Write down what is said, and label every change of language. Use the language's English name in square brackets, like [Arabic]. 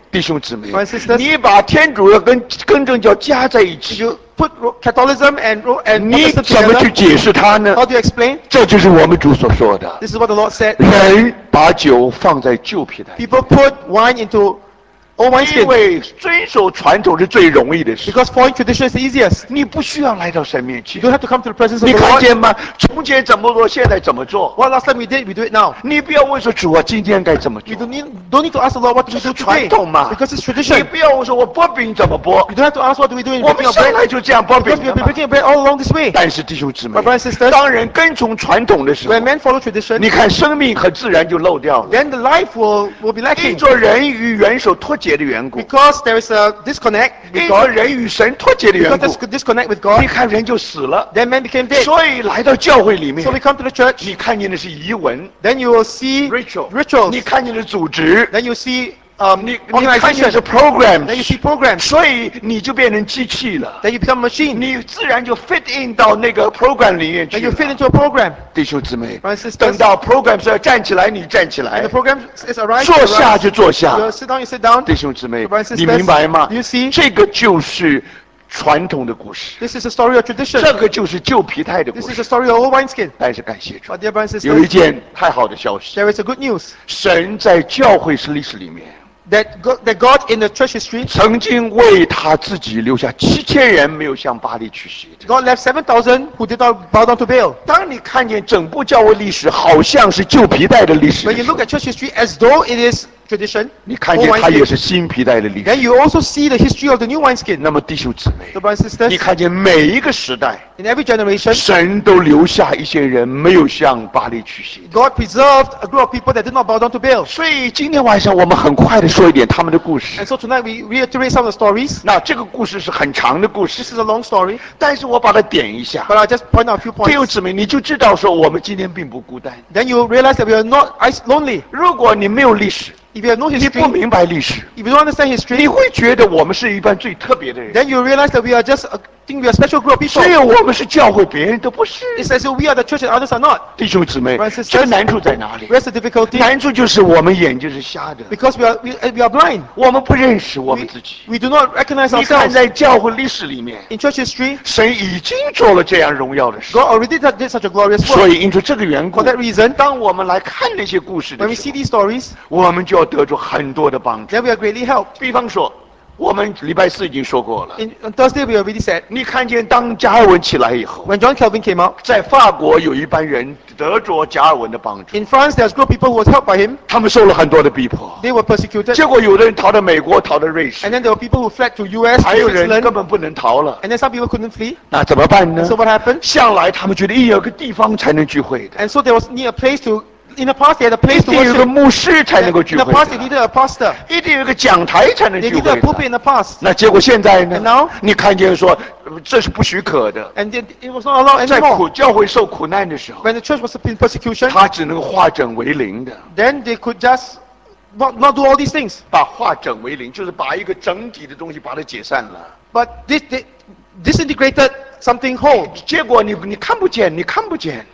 [Chinese] 弟兄姊妹，你把天主教跟正教加在一起，就 [English] put Catholicism and Protestant together, [Chinese] 你怎么去解释它呢？ [English] How do you explain? [Chinese] 这就是我们主所说的。 [English] This is what the Lord said. [Chinese] 人把酒放在旧皮袋。 [English] People put wine into old wineskin. [Chinese] 因为遵守传统是最容易的事。 [English] Because following tradition is the easiest. [Chinese] 你不需要来到神面前。 [English] You don't have to come to the presence of the Lord. [Chinese] 你看见吗？从前怎么做，现在怎么做？ [English] What last time we did, we do it now. [Chinese] 你不要问说主啊，今天该怎么做？ [English] You don't need to ask the Lord what to do today. [Chinese] 传统嘛。 [English] Because it's tradition. [Chinese] 你不要问说我剥饼怎么剥？ [English] You don't have to ask what do we do in breaking bread. [Chinese] 我们上来就这样剥饼。 [English] Because we've been breaking bread all along this way. [Chinese] 但是弟兄姊妹， [English] My brothers and sisters, [Chinese] 当人跟从传统的时候， [English] When men follow tradition, [Chinese] 你看生命和自然就漏掉了。 [English] Then the life will be lacking. [Chinese] 因着人与元首脱节的缘故， [English] because there is a disconnect with God, [Chinese] 因着人与神脱节的缘故， [English] because there's a disconnect with God, [Chinese] 你看人就死了， [English] then man became dead. [Chinese] 所以来到教会里面， [English] so we come to the church, [Chinese] 你看见的是仪文， [English] then you will see rituals, [Chinese] 你看见的是组织， [English] then you see [Chinese] 你看见的是 [English] programs, then you see programs, [Chinese] 所以你就变成机器了， [English] then you become a machine, [Chinese] 你自然就 [English] fit in [Chinese] 到那个 program 里面去了， [English] then you fit into a program. [Chinese] 弟兄姊妹， [English] Brothers and sisters, [Chinese] 等到 program 是要站起来，你站起来， [English] and the program is arrived, [Chinese] 坐下就坐下， [English] you sit down, you sit down. [Chinese] 弟兄姊妹， [English] Brothers and sisters, [Chinese] 你明白吗？ [English] You see? [Chinese] 这个就是传统的故事， [English] this is a story of tradition. [Chinese] 这个就是旧皮带的故事， [English] this is a story of old wineskin. [Chinese] 但是感谢主， [English] but dear Brothers and sisters, [Chinese] 有一件太好的消息， [English] there is a good news. [Chinese] 神在教会是历史里面， [English] That God in the church history, [Chinese] 曾经为他自己留下七千人没有向巴力屈膝。 [English] God left 7,000 who did not bow down to Baal. [Chinese] 当你看见整部教会历史好像是旧皮带的历史， [English] When you look at church history as though it is tradition, [Chinese] 你看见它也是新皮带的历史。 [English] Then you also see the history of the new wineskin. [Chinese] 那么弟兄姊妹， [English] the brothers and sisters, [Chinese] 你看见每一个时代， [English] in every generation, [Chinese] 神都留下一些人没有向巴力屈膝。 [English] God preserved a group of people that did not bow down to Baal. [Chinese] 所以今天晚上我们很快的说一点他们的故事。 [English] And so tonight we reiterate some of the stories. [Chinese] 那这个故事是很长的故事。 [English] This is a long story. [Chinese] 但是我把它点一下。 [English] But I just point out a few points. [Chinese] 弟兄姊妹，你就知道说我们今天并不孤单。 [English] Then you realize that we are not lonely. [Chinese] 如果你没有历史， [English] If you have no history, [Chinese] 你不明白历史， [English] if you don't understand history, [Chinese] 你会觉得我们是一般最特别的人。 [English] Then you realize that we are just a, think we are a special group of people. [Chinese] 只有我们是教会，别人都不是。 [English] It's as if we are the church and others are not. [Chinese] 弟兄姊妹， [English] Francis, [Chinese] 这个难处在哪里？ [English] Where's the difficulty? [Chinese] 难处就是我们眼睛是瞎的。 [English] Because we are blind. [Chinese] 我们不认识我们自己。 [English] We do not recognize ourselves. [Chinese] 你看在教会历史里面， [English] in church history, [Chinese] 神已经做了这样荣耀的事。 [English] God already did such a glorious work. [Chinese] 所以因着这个缘故， [English] for that reason, [Chinese] 当我们来看那些故事的时候， [English] when we see these stories, [Chinese] 我们就要得着很多的帮助。 [English] Then we are greatly helped. [Chinese] 比方说，我们礼拜四已经说过了。 [English] In, on Thursday we already said. [Chinese] 你看见当加尔文起来以后， [English] When John Calvin came out, [Chinese] 在法国有一班人得着加尔文的帮助。 [English] In France there's a group of people who was helped by him. [Chinese] 他们受了很多的逼迫。 [English] They were persecuted. [Chinese] 结果有的人逃到美国，逃到瑞士。 [English] And then there were people who fled to U.S. [Chinese] 还有人根本不能逃了。 [English] And then some people couldn't flee. [Chinese] 那怎么办呢？ [English] So what happened? [Chinese] 向来他们觉得一有个地方才能聚会的。 [English] And so there was near a place to. In the past, they had a place to worship. [Chinese] 一定有个牧师才能够聚会。 [English] In the past, they needed a pastor. [Chinese] 一定有个讲台才能聚会。 [English] They needed a pulpit in the past. [Chinese] 那结果现在呢？ [English] And now, [Chinese] 你看见说，这是不许可的。 [English] And it was not allowed anymore. [Chinese] 在苦教会受苦难的时候， [English] When the church was in persecution, [Chinese] 他只能化整为零的。 [English] Then they could just not do all these things. [Chinese] 把化整为零，就是把一个整体的东西把它解散了。 [English] But this disintegrated. Something whole. [Chinese] 结果你看不见，你看不见。